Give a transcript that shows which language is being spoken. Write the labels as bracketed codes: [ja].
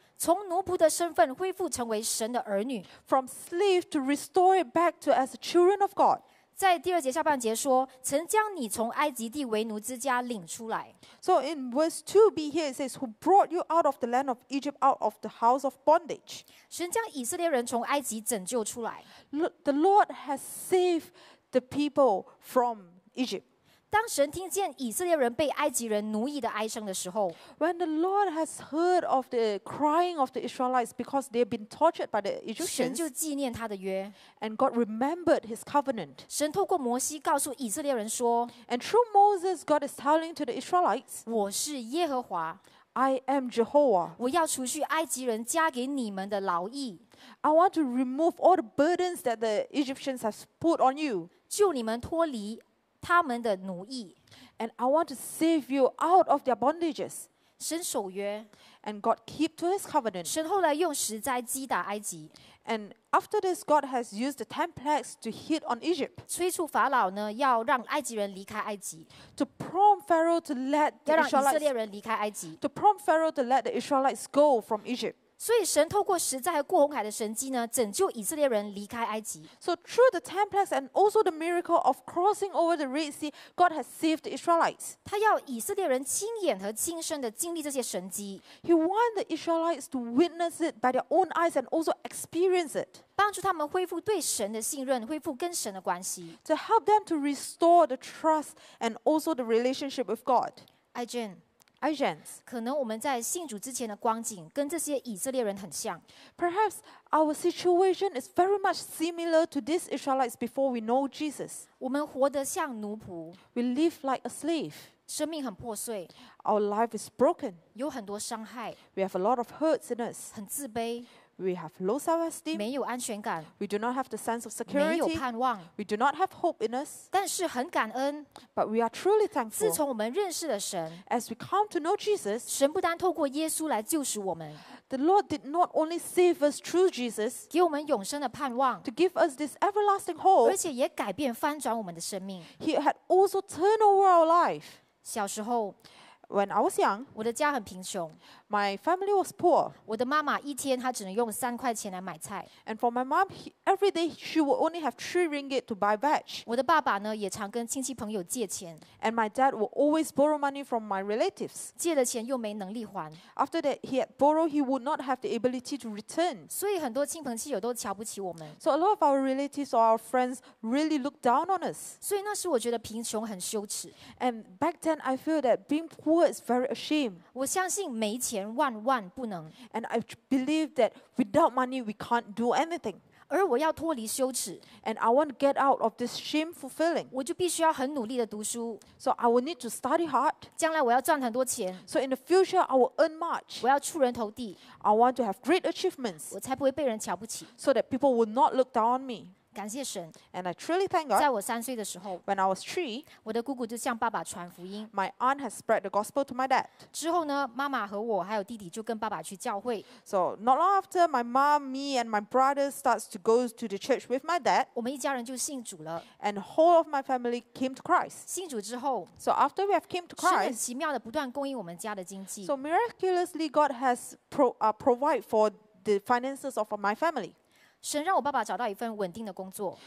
[zh] 从奴仆的身份恢复成为神的儿女。 [en] From slave to restore it back to as children of God. [zh] 在第二节下半节说，曾将你从埃及地为奴之家领出来。 [en] So in verse 2b here it says, who brought you out of the land of Egypt, out of the house of bondage. [zh] 神将以色列人从埃及拯救出来。 [en] The Lord has saved the people from Egypt. [zh] 当神听见以色列人被埃及人奴役的哀声的时候， [en] When the Lord has heard of the crying of the Israelites because they have been tortured by the Egyptians, [zh] 神就纪念他的约。 [en] And God remembered His covenant. [zh] 神透过摩西告诉以色列人说， [en] And through Moses, God is telling to the Israelites, [zh] 我是耶和华。 [en] I am Jehovah. [zh] 我要除去埃及人加给你们的劳役。 [en] I want to remove all the burdens that the Egyptians have put on you. [zh] 救你们脱离他们的奴役。 [en] And I want to save you out of their bondages. [zh] 神守约。 [en] And God keep to His covenant. [zh] 神后来用石灾击打埃及。 [en] And after this, God has used the 10 plagues to hit on Egypt. [zh] 催促法老呢，要让埃及人离开埃及。 [en] To prompt Pharaoh to let the Israelites, [zh] 要让以色列人离开埃及。 [en] To prompt Pharaoh to let the Israelites go from Egypt. [zh] 所以神透过石灾和过红海的神迹呢，拯救以色列人离开埃及。 [en] So through the 10 plagues and also the miracle of crossing over the Red Sea, God has saved the Israelites. [zh] 他要以色列人亲眼和亲身的经历这些神迹。 [en] He wants the Israelites to witness it by their own eyes and also experience it. [zh] 帮助他们恢复对神的信任，恢复跟神的关系。 [en] To help them to restore the trust and also the relationship with God. [zh] Agents, 可能我们在信主之前的光景跟这些以色列人很像。 [en] Perhaps our situation is very much similar to these Israelites before we know Jesus. [zh] 我们活得像奴仆。 [en] We live like a slave. [zh] 生命很破碎。 [en] Our life is broken. [zh] 有很多伤害。 [en] We have a lot of hurts in us. [zh] 很自卑。 [en] We have low self-esteem. [zh] 没有安全感。 [en] We do not have the sense of security. [zh] 没有盼望。 [en] We do not have hope in us. [zh] 但是很感恩。 [en] But we are truly thankful. [zh] 自从我们认识了神。 [en] As we come to know Jesus. [zh] 神不单透过耶稣来救赎我们。 [en] The Lord did not only save us through Jesus. [zh] 给我们永生的盼望。 [en] To give us this everlasting hope. [zh] 而且也改变翻转我们的生命。 [en] He had also turned over our life. [zh] 小时候。 [en] When I was young, [zh] 我的家很贫穷。 [en] My family was poor. [zh] 我的妈妈一天她只能用3块钱来买菜。 [en] And for my mom, every day she would only have 3 ringgit to buy veg. [zh] 我的爸爸呢，也常跟亲戚朋友借钱。 [en] And my dad would always borrow money from my relatives. [zh] 借了钱又没能力还。 [en] After that, he had borrowed, he would not have the ability to return. [zh] 所以很多亲朋戚友都瞧不起我们。 [en] So a lot of our relatives or our friends really looked down on us. [zh] 所以那时我觉得贫穷很羞耻。 [en] And back then, I feel that being poor is very ashamed. [zh] 我相信没钱万万不能。 [en] And I believe that without money we can't do anything. [zh] 而我要脱离羞耻。 [en] And I want to get out of this shameful feeling. [zh] 我就必须要很努力的读书。 [en] So I will need to study hard. [zh] 将来我要赚很多钱。 [en] So in the future I will earn much. [zh] 我要出人头地。 [en] I want to have great achievements. [zh] 我才不会被人瞧不起。 [en] So that people will not look down on me. [zh] 感谢神。 [en] And I truly thank God. [zh] 在我3岁的时候， [en] When I was 3, [zh] 我的姑姑就向爸爸传福音。 [en] My aunt has spread the gospel to my dad. [zh] 之后呢，妈妈和我还有弟弟就跟爸爸去教会。 [en] So not long after, my mom, me and my brother starts to go to the church with my dad. [zh] 我们一家人就信主了。 [en] And the whole of my family came to Christ. [zh] 信主之后， [en] So after we have came to Christ, [zh] 神很奇妙的不断供应我们家的经济。 [en] So miraculously God has provided for the finances of my family. [zh] 神让我爸爸找到一份稳定的工作。